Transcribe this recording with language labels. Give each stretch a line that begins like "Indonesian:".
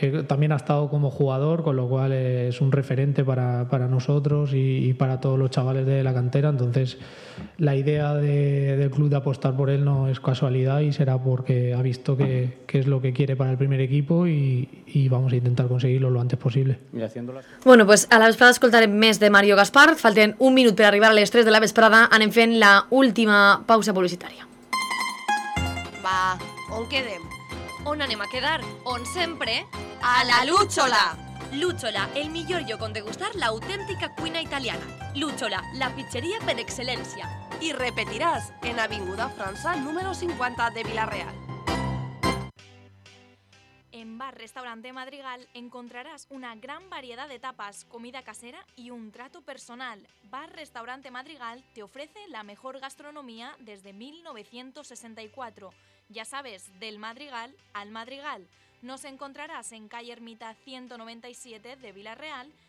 Spanish: También ha estado como jugador, con lo cual es un referente para nosotros y para todos los chavales de la cantera. Entonces, la idea del club de apostar por él no es casualidad y será porque ha visto que es lo que quiere para el primer equipo y vamos a intentar conseguirlo lo antes posible. Bueno, pues
Catalan: a la vesprada escoltarem més de Mario Gaspar. Falten un minut per arribar a les 3 de la vesprada. Anem fent la última pausa publicitària. Va, on quedem? On anem a quedar? On sempre? A la Lúchola! Lúchola, el millor lloc on degustar l'autèntica cuina italiana. Lúchola, la pizzeria per excel·lència. I repetiràs en Avinguda França número 50 de Vila-real.
Spanish: En Bar Restaurante Madrigal encontrarás una gran variedad de tapas, comida casera y un trato personal. Bar Restaurante Madrigal te ofrece la mejor gastronomía desde 1964. Ya sabes, del Madrigal al Madrigal. Nos encontrarás en calle Ermita 197 de Villarreal.